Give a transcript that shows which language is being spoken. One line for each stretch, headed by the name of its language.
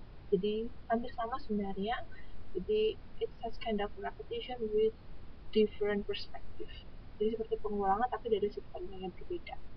Indonesian: Jadi, hampir sama sebenarnya.
English: Jadi, it's a kind of repetition with different perspective.
Indonesian: Jadi, seperti pengulangan tapi dari sudut pandang yang berbeda.